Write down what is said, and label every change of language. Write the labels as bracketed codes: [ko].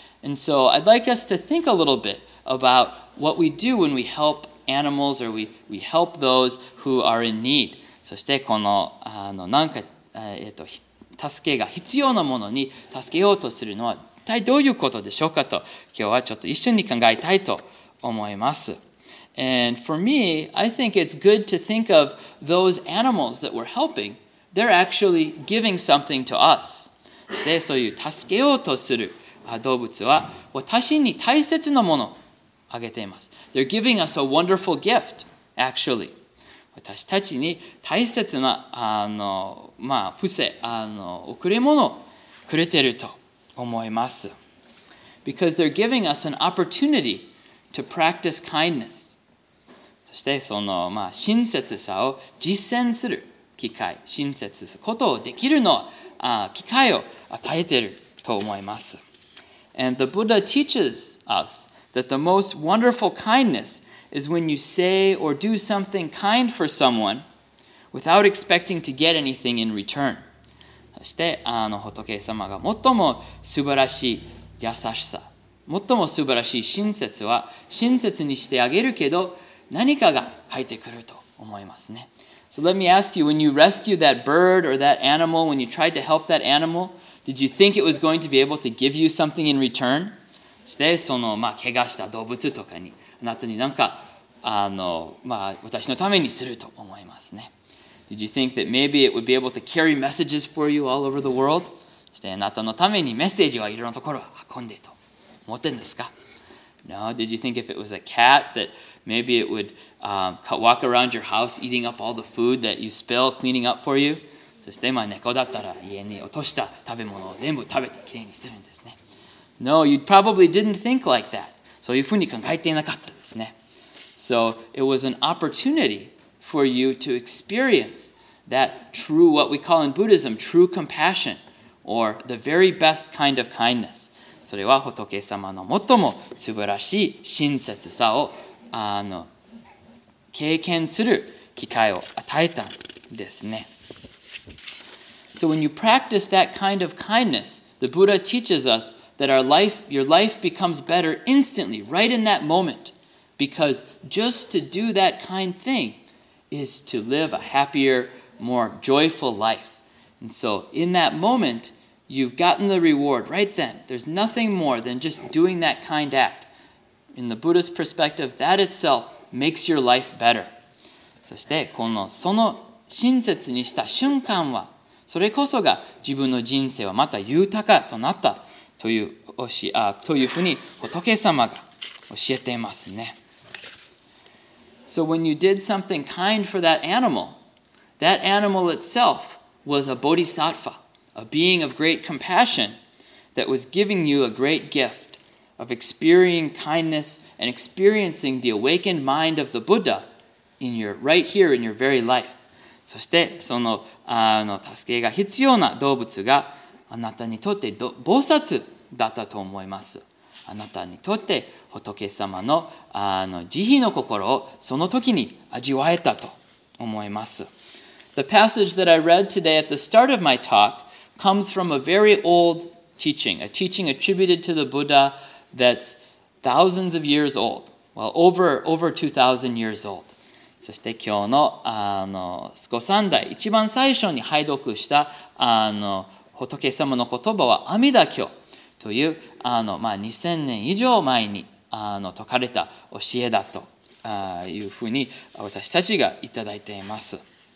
[en] And so I'd like us to think a little bit about what we do when we help animals or we help those who are in need. [ja] そしてこの、あの、なんか、助けが必要なものに助けようとするのは一体どういうことでしょうかと、今日はちょっと一緒に考えたいと思います。 [en] And for me, I think it's good to think of those animals that we're helping. They're actually giving something to us. [ja] そしてそういう助けようとする動物は私に大切なものをあげています。 [en] They're giving us a wonderful gift, actually. [ja] 私たちに大切な布施、贈り物をくれていると思います。 [en] Because they're giving us an opportunity to practice kindness. [ja] そしてその、親切さを実践する機会、親切すことをできるのは、機会を与えていると思います。 [en] And the Buddha teaches us that the most wonderful kindness is when you say or do something kind for someone without expecting to get anything in return. [ja] そして、仏様が最も素晴らしい優しさ、最も素晴らしい親切は、親切にしてあげるけど、何かが返ってくると思いますね。 [en] So let me ask you, when you rescued that bird or that animal, when you tried to help that animal, did you think it was going to be able to give you something in return? [ja] そして、その、怪我した動物とかに、あなたに何か私のためにすると思いますね。 [en] Did you think that maybe it would be able to carry messages for you all over the world? [ja] そしてあなたのためにメッセージはいろんなところを運んでと思ってんですか [en] ？No. Did you think if it was a cat that maybe it would walk around your house eating up all the food that you spill cleaning up for you? [ja] そして猫だったら家に落とした食べ物を全部食べてきれいにするんですね。 [en] No. You probably didn't think like that. [ja] そういうふうに考えていなかったですね。 [en] So it was an opportunity for you to experience that true, what we call in Buddhism, true compassion, or the very best kind of kindness. [ja] それは仏様の最も素晴らしい親切さを経験する機会を与えたんですね。 [en] So when you practice that kind of kindness, the Buddha teaches us. That our life, your life becomes better instantly, right in that moment. Because just to do that kind thing is to live a happier, more joyful life. And so in that moment, you've gotten the reward right then. There's nothing more than just doing that kind act. In the Buddha's perspective, that itself makes your life better. [ja] そしてこのその親切にした瞬間は、それこそが自分の人生はまた豊かとなった。というふうに仏様が教えていますね。 [en] So when you did something kind for that animal itself was a bodhisattva, a being of great compassion that was giving you a great gift of experiencing kindness and experiencing the awakened mind of the Buddha in your, right here in your very life. [ja] そしてその、助けが必要な動物があなたにとって菩薩だったと思います。あなたにとって仏様の慈悲の心をその時に味わえたと思います。 [en] The passage that I read today at the start of my talk comes from a very old teaching, a teaching attributed to the Buddha that's thousands of years old, well, over 2,000 years old. [ja] そして今日の御三代一番最初に拝読した仏様の言葉は阿弥陀経という2000年以上前に説かれた教えだというふうに私たちがいただいています。